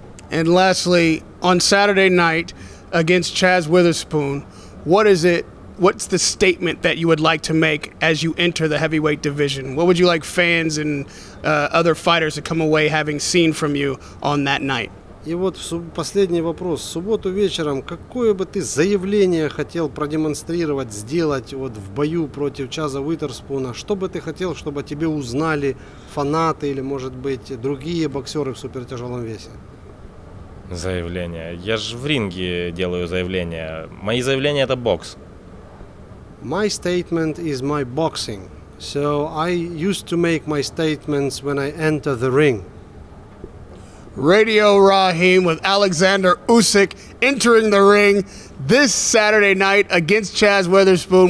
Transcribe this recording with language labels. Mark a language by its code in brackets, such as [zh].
[en] And lastly, on Saturday night against Chaz Witherspoon, what's the statement that you would like to make as you enter the heavyweight division? What would you like fans and other fighters to come away having seen from you on that night? [ru] И вот последний вопрос. В субботу вечером какое бы ты заявление хотел продемонстрировать, сделать вот в бою против Чаза Уитерспуна? Что бы ты хотел, чтобы тебе узнали фанаты или, может быть, другие боксеры в супертяжелом весе? Заявление. Я же в ринге делаю заявление. Мои заявления – это бокс. [en] My statement is my boxing. So I used to make my statements when I enter the ring. Radio Raheem with Alexander Usyk entering the ring this Saturday night against Chaz Witherspoon.